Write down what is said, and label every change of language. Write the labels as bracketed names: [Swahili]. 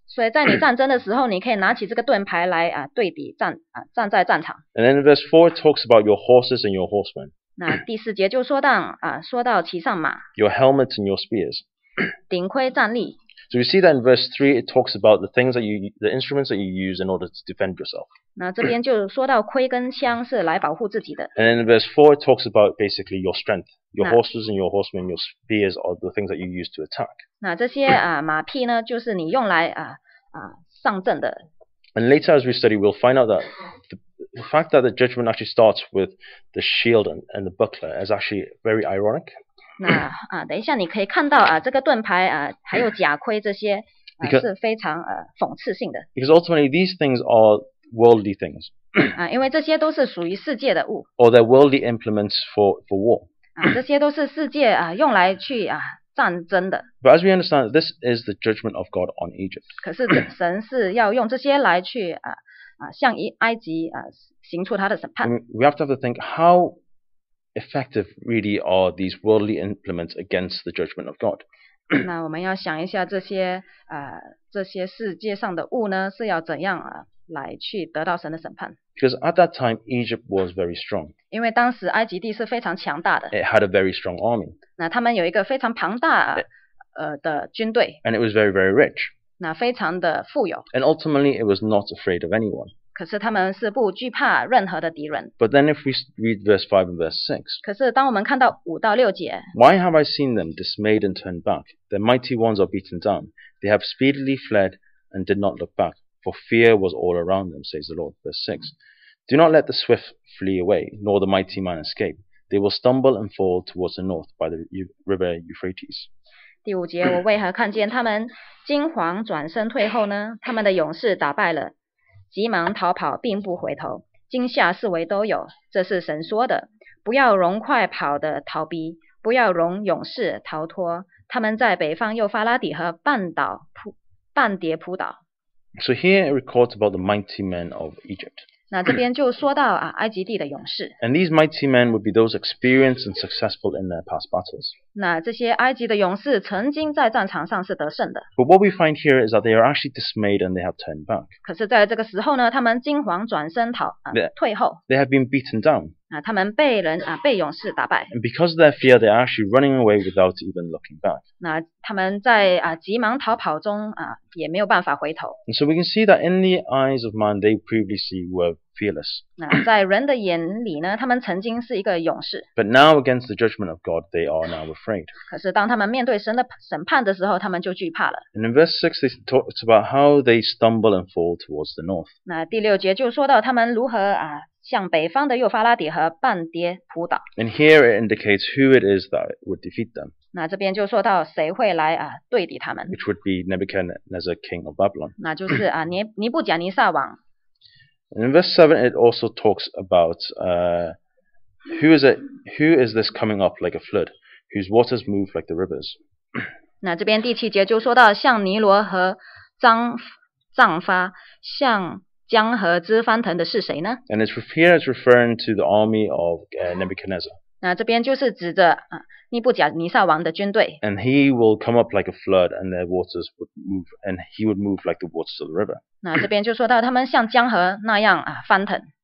[Chinese] 所以在你战争的时候，你可以拿起这个盾牌来对敌站站在战场。 [English] And then verse 4 talks about your horses and your horsemen. [Chinese] 那第四节就说到说到骑上马。 [English] Your helmets and your spears. [Chinese] 顶盔站立。 [English] So you see that in verse 3, it talks about the things that the instruments that you use in order to defend yourself. [Chinese] 那这边就说到盔跟枪是来保护自己的。 [English] And then in verse 4, it talks about basically your strength. Your horses and your horsemen, your spears are the things that you use to attack. [Chinese] 那这些马匹呢，就是你用来上阵的。 [English] And later as we study, we'll find out that the fact that the judgment actually starts with the shield and the buckler is actually very ironic. [Chinese] 那等一下你可以看到这个盾牌还有甲盔这些 [English] because, [Chinese] 是非常讽刺性的。 [English] Because ultimately these things are worldly things. [Chinese] 因为这些都是属于世界的物。 [English] Or they're worldly implements for war. [Chinese] 这些都是世界用来去战争的。 [English] But as we understand, this is the judgment of God on Egypt. [Chinese] 可是神是要用这些来去向埃及行出他的审判。 [English] We have to have to think how effective really are these worldly implements against the judgment of God. [Chinese] 那我们要想一下这些世界上的物呢是要怎样来去得到神的审判。 [English] Because at that time, Egypt was very strong. [Chinese] 因为当时埃及地是非常强大的。 [English] It had a very strong army. [Chinese] 那他们有一个非常庞大的军队。 [English] And it was very, very rich. [Chinese] 那非常的富有。 [English] And ultimately, it was not afraid of anyone. [Chinese] 可是他们是不惧怕任何的敌人。 [English] But then if we read verse 5 and verse 6, [Chinese] 可是当我们看到五到六节, [English] Why have I seen them dismayed and turned back? Their mighty ones are beaten down. They have speedily fled and did not look back. For fear was all around them, says the Lord. Verse 6. Do not let the swift flee away, nor the mighty man escape. They will stumble and fall towards the north by the river Euphrates. [Chinese] 第五节，我为何看见他们惊惶转身退后呢？他们的勇士打败了，急忙逃跑，并不回头。惊吓四围都有，这是神说的。不要容快跑的逃避，不要容勇士逃脱。他们在北方幼发拉底和半跌扑倒。 [English] So here it records about the mighty men of Egypt. [Chinese] 那这边就说到埃及地的勇士。 [English] And these mighty men would be those experienced and successful in their past battles. [Chinese] 那这些埃及的勇士曾经在战场上是得胜的。 [English] But what we find here is that they are actually dismayed and they have turned back. [Chinese] 可是在这个时候呢，他们惊惶转身退后。 [English] They have been beaten down. [Chinese] 他们被人被勇士打败。 [English] And because of their fear, they are actually running away without even looking back. [Chinese] 那他们在急忙逃跑中也没有办法回头。 [English] And so we can see that in the eyes of man, they previously were fearless. [Chinese] 那在人的眼里呢，他们曾经是一个勇士。 [English] But now against the judgment of God, they are now afraid. [Chinese] 可是当他们面对神的审判的时候，他们就惧怕了。 [English] And in verse 6, they talk about how they stumble and fall towards the north. [Chinese] 那第六节就说到他们如何向北方的幼发拉底和半跌扑倒。 [English] And here it indicates who it is that would defeat them. [Chinese] 那这边就说到谁会来对敌他们。 [English] Which would be Nebuchadnezzar, king of Babylon. [Chinese] 那就是尼布甲尼撒王。 [English] And in verse 7, it also talks about who is this coming up like a flood, whose waters move like the rivers. [Chinese] 那这边第七节就说到像尼罗和藏发像江河之翻腾的是谁呢? [English] And it's here it's referring to the army of Nebuchadnezzar. [Chinese] 那这边就是指着尼布甲尼撒王的军队。 [English] And he will come up like a flood, and their waters would move, and he would move like the waters of the river. [Chinese] 那这边就说到他们像江河那样翻腾。